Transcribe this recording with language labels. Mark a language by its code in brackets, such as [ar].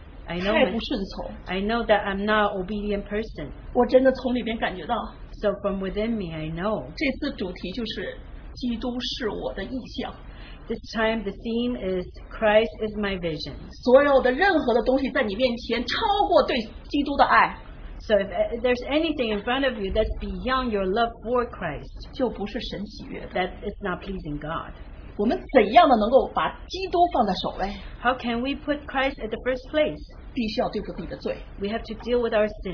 [en] I know that I'm not an obedient person. [zh] 我真的从里边感觉到, [en] so from within me, I know. [zh] 这次主题就是基督是我的意象。 [en] This time the theme is Christ is my vision. [zh] 所有的任何的东西在你面前超过对基督的爱。 [en] So if there's anything in front of you that's beyond your love for Christ, [zh] 就不是神喜悦的。 [en] That is not pleasing God. [zh] 我们怎样的能够把基督放在首位? [en] How can we put Christ at the first place? [zh] 必须要对付自己的罪。 [en] We have to deal with our sin.